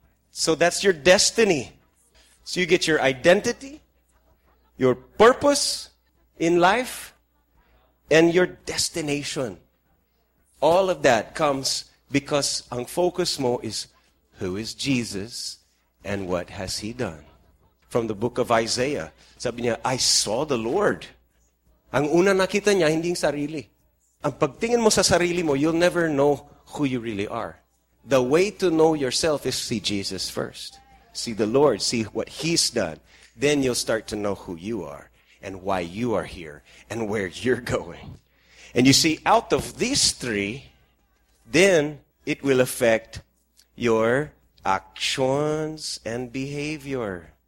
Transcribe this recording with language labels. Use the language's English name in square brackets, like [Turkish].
[English] So that's your destiny. So you get your identity, your purpose in life, and your destination. All of that comes because ang focus mo is who is Jesus and what has He done. From the book of Isaiah, [Filipino] sabi niya, [English] I saw the Lord. [Filipino] Ang una nakita niya, hindi sarili. Ang pagtingin mo sa sarili mo, [English] you'll never know who you really are. The way to know yourself is see Jesus first. See the Lord, see what He's done. Then you'll start to know who you are and why you are here and where you're going. And you see, out of these three, then it will affect your actions and behavior.